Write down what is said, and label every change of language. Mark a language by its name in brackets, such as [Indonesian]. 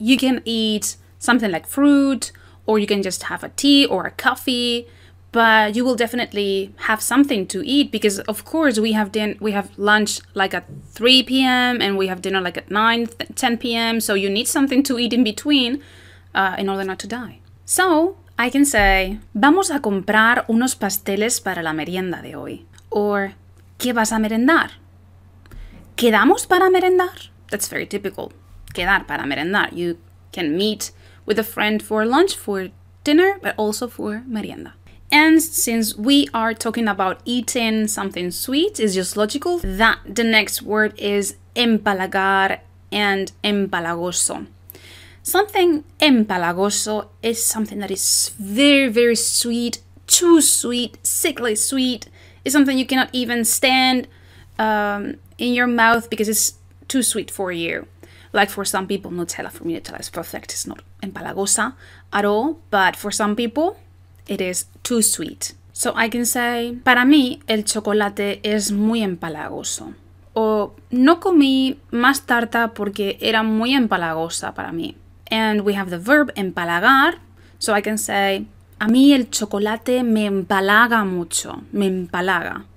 [English] You can eat something like fruit, or you can just have a tea or a coffee, but you will definitely have something to eat, because of course we have lunch like at 3 p.m. and we have dinner like at 9, 10 p.m. So you need something to eat in between in order not to die. So I can say, [Spanish] vamos a comprar unos pasteles para la merienda de hoy. Or, ¿qué vas a merendar? ¿Quedamos para merendar? [English] That's very typical. [Spanish] Quedar para merendar. [English] You can meet with a friend for lunch, for dinner, but also for merienda. And since we are talking about eating something sweet, it's just logical that the next word is empalagar and empalagoso. Something empalagoso is something that is very, very sweet, too sweet, sickly sweet. It's something you cannot even stand in your mouth because it's too sweet for you. Like for some people, Nutella, for me, Nutella is perfect. It's not empalagosa at all, but for some people, it is too sweet. So I can say, [Spanish] para mí, el chocolate es muy empalagoso. O no comí más tarta porque era muy empalagosa para mí. [English] And we have the verb empalagar, so I can say, [Spanish] a mí el chocolate me empalaga [English] mucho, me empalaga.